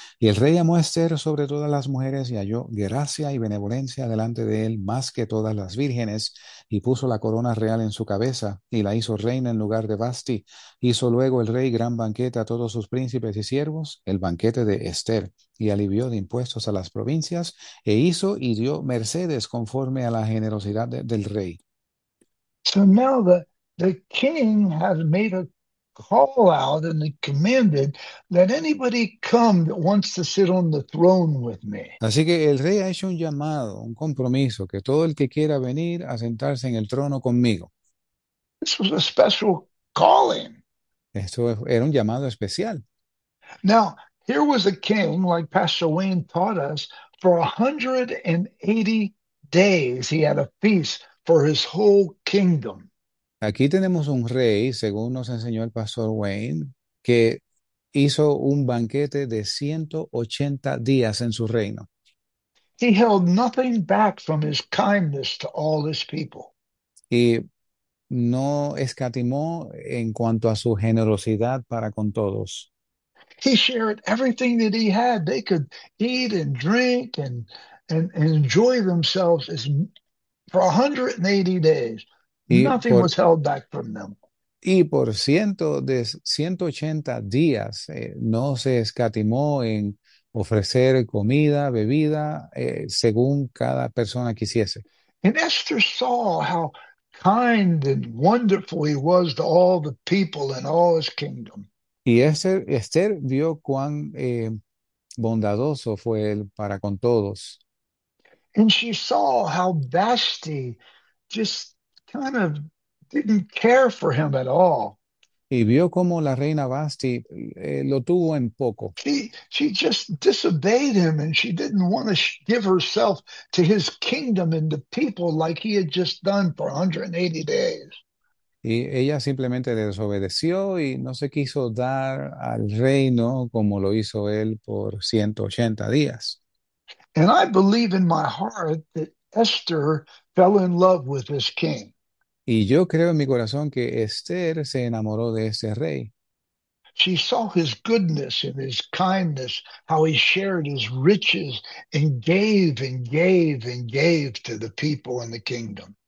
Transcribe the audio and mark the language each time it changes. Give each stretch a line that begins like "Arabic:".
Spanish: Y el rey amó a Esther sobre todas las mujeres y halló gracia y benevolencia delante de él más que todas las vírgenes, y puso la corona real en su cabeza y la hizo reina en lugar de Vasti. Hizo luego el rey gran banquete a todos sus príncipes y siervos, el banquete de Esther, y alivió de impuestos a las provincias, e hizo y dio mercedes conforme a la generosidad del rey.
English: So now the king has made a call out and he commanded, let anybody come that wants to sit on the throne with me.
Spanish: Así que el rey ha hecho un llamado, un compromiso, que todo el que quiera venir a sentarse en el trono conmigo.
English: This was a special calling.
Spanish: Esto era un llamado especial.
English: Now, here was a king, like Pastor Wayne taught us, for 180 days he had a feast for his whole kingdom.
Spanish: Aquí tenemos un rey, según nos enseñó el pastor Wayne, que hizo un banquete de 180 días en su reino.
English: He held nothing back from his kindness to all his people.
Spanish: Y no escatimó en cuanto a su generosidad para con todos.
English: He shared everything that he had. They could eat and drink and enjoy themselves as for 180 days,
Spanish: Y
English: nothing was held back from them.
Spanish: por ciento de 180 días no se escatimó en ofrecer comida, bebida, según cada persona quisiese.
English: And Esther saw how kind and wonderful he was to all the people and all his kingdom.
Spanish: Y Esther vio cuán bondadoso fue él para con todos.
English: And she saw how Vashti just kind of didn't care for him at all.
Spanish: Y vio cómo la reina Vasti lo tuvo en poco.
English: She just disobeyed him and she didn't want to give herself to his kingdom and the people like he had just done for 180 days.
Spanish: Y ella simplemente desobedeció y no se quiso dar al reino como lo hizo él por 180 días.
English: And I believe in my heart that Esther fell in love with this king.
Spanish: Y yo creo en mi corazón que Esther se enamoró de ese rey.
English: She saw his goodness and his kindness, how he shared his riches and gave and gave and gave to the people and the kingdom.